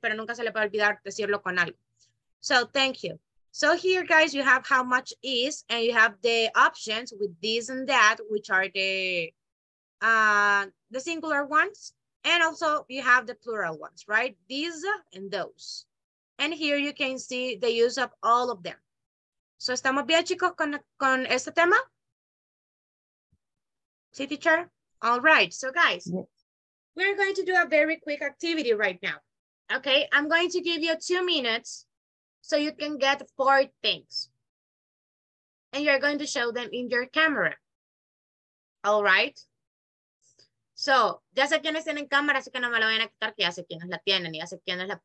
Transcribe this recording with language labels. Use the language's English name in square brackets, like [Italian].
[Spanish] Pero nunca se le puede olvidar decirlo con algo. [English] So, thank you. So here, guys, you have how much is, and you have the options with this and that, which are the singular ones. And also you have the plural ones, right? These and those. And here you can see the use of all of them. [Spanish] So estamos bien, chicos, con este tema? Sí, [English] teacher? All right. So guys, we're going to do a very quick activity right now. Okay, I'm going to give you 2 minutes. So you can get 4 things and you're going to show them in your camera. All right. [Spanish] So, ya sé quiénes tienen cámara, así que no me lo vayan a quitar, que ya sé quiénes la tienen y ya sé quiénes la...